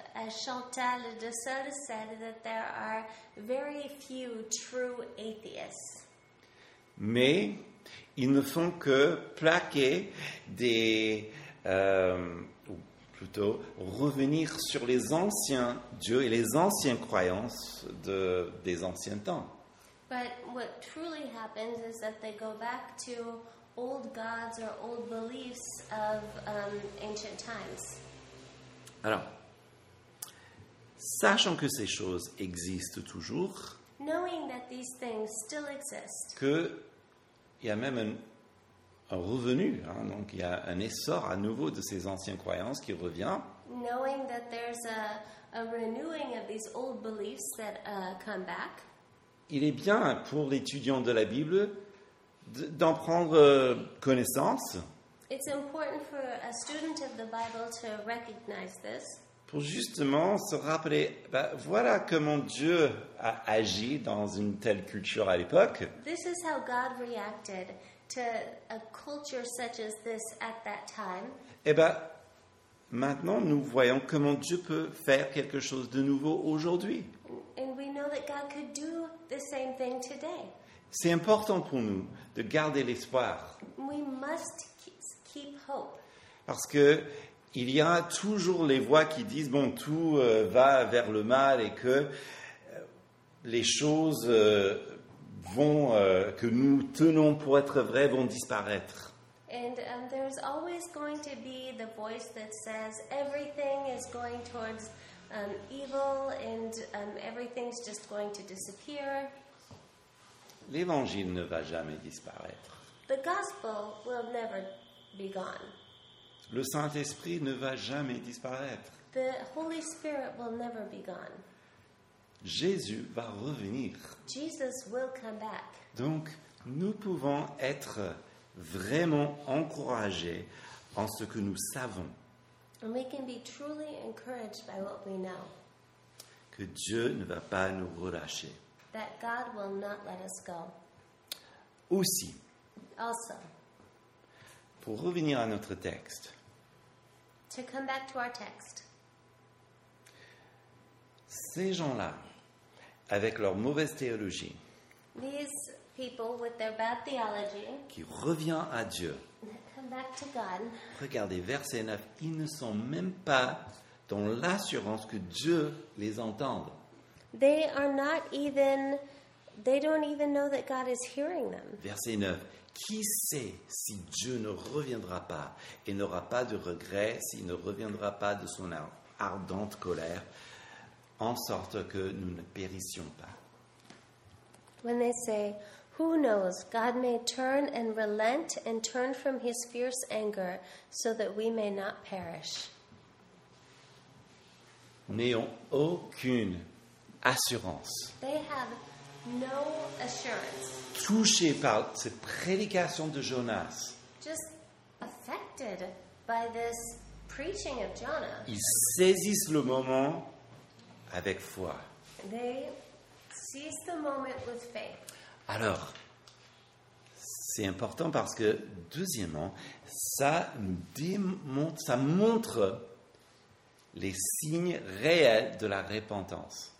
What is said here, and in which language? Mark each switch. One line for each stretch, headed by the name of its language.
English: Chantal de Sade said that there are very few true atheists.
French: Mais ils ne font que plaquer des ou plutôt revenir sur les anciens dieux et les anciennes croyances des anciens temps.
English: But what truly happens is that they go back to old gods or old beliefs of ancient times.
French: Alors, sachant que ces choses existent toujours,
English: knowing that these things still exist,
French: qu'il y a même un revenu, hein, donc il y a un essor à nouveau de ces anciennes croyances qui revient,
English: knowing that there's a a renewing of these old beliefs that come back.
French: Il est bien pour l'étudiant de la Bible d'en prendre connaissance.
English: It's important for a student of the Bible to recognize this.
French: Pour justement se rappeler, bah, voilà comment Dieu a agi dans une telle culture à l'époque.
English: This is how God reacted to a culture such as this at that time.
French: Et bah, maintenant nous voyons comment Dieu peut faire quelque chose de nouveau aujourd'hui.
English: And we know that God could do the same thing today.
French: C'est important pour nous de garder l'espoir.
English: We must keep hope.
French: Parce que il y a toujours les voix qui disent bon, tout va vers le mal et que les choses vont que nous tenons pour être vraies vont disparaître.
English: And there's always going to be the voice that says everything is going towards evil and everything's just going to disappear.
French: L'évangile ne va jamais disparaître.
English: The gospel will never be gone.
French: Le Saint-Esprit ne va jamais disparaître.
English: The Holy Spirit will never be gone.
French: Jésus va revenir.
English: Jesus will come back.
French: Donc, nous pouvons être vraiment encouragés en ce que nous savons.
English: And we can be truly encouraged by what we know.
French: Que Dieu ne va pas nous relâcher.
English: That God will not let us go.
French: Aussi.
English: Also.
French: Pour revenir à notre texte.
English: To come back to our text.
French: Ces gens-là, avec leur mauvaise théologie.
English: These people with their bad theology.
French: Qui revient à Dieu.
English: Come back to God.
French: Regardez verset 9. Ils ne sont même pas dans l'assurance que Dieu les entende.
English: They are not even, they don't even know that God is hearing them.
French: Verset 9. Qui sait si Dieu ne reviendra pas et n'aura pas de regret, s'il ne reviendra pas de son ardente colère, en sorte que nous ne périssions pas.
English: When they say, who knows, God may turn and relent and turn from his fierce anger so that we may not perish.
French: N'ayons aucune assurance.
English: They have no assurance.
French: Touché par cette prédication de Jonas.
English: Just affected by this preaching of Jonah.
French: Ils saisissent le moment avec foi.
English: They seize the moment with faith.
French: Alors, c'est important parce que, deuxièmement, ça nous démontre, ça montre les signes réels de la repentance.